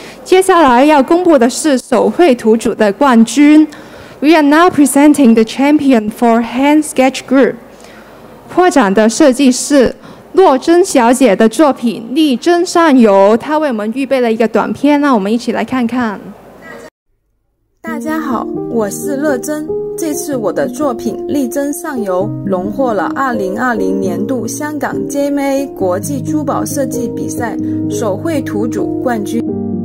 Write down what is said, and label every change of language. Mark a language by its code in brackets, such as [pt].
[zh] 接下来要公布的是手绘图组的冠军。 [en] We are now presenting the champion for hand sketch group. [zh] 破展的设计师洛珍小姐的作品《逆针上游》，她为我们预备了一个短片，那我们一起来看看。大家好，我是乐珍。这次我的作品《逆针上游》荣获了2020年度香港 JMA 国际珠宝设计比赛手绘图组冠军。